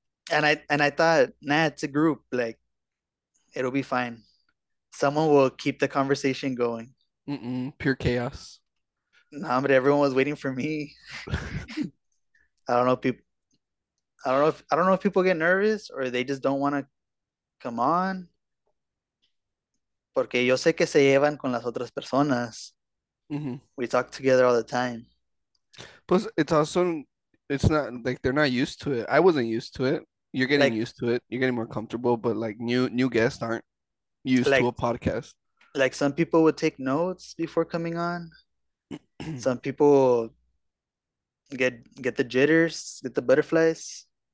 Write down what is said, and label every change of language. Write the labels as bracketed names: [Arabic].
[English] And I thought, nah, it's a group, like it'll be fine. Someone will keep the conversation going. Pure chaos. Nah, but everyone was waiting for me. I don't know if people get nervous or they just don't want to come on. [Spanish] Porque yo sé que se llevan con las otras personas. [English] We talk together all the time. Plus, it's also, it's not like they're not used to it. I wasn't used to it. You're getting Like, used to it. You're getting more comfortable, but like new guests aren't used to a podcast. some people would take notes before coming on. Some people get the jitters, get the butterflies.